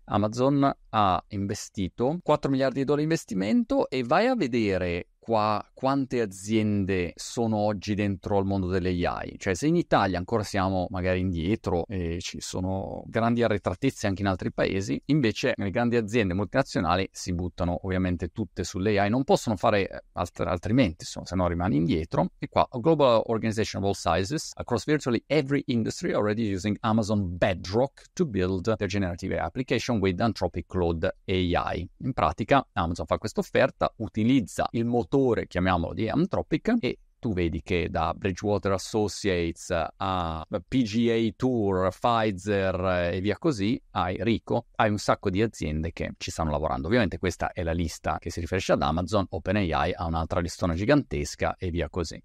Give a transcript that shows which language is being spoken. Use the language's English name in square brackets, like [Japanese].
[Italian] Amazon ha investito 4 miliardi di dollari di investimento e vai a vedere qua quante aziende sono oggi dentro al mondo delle AI. Cioè, se in Italia ancora siamo magari indietro e ci sono grandi arretratezze anche in altri paesi, invece le grandi aziende multinazionali si buttano ovviamente tutte sulle AI, non possono fare altrimenti, se no rimani indietro. E qua, [English] a global organization of all sizes, across virtually every industry already using Amazon Bedrock to build their generative AI application with Anthropic Claude AI. [Italian] In pratica, Amazon fa questa offerta, utilizza il motore, chiamiamolo di Anthropic, e tu vedi che da Bridgewater Associates a PGA Tour, Pfizer e via così, hai un sacco di aziende che ci stanno lavorando. Ovviamente questa è la lista che si riferisce ad Amazon, OpenAI ha un'altra listona gigantesca e via così.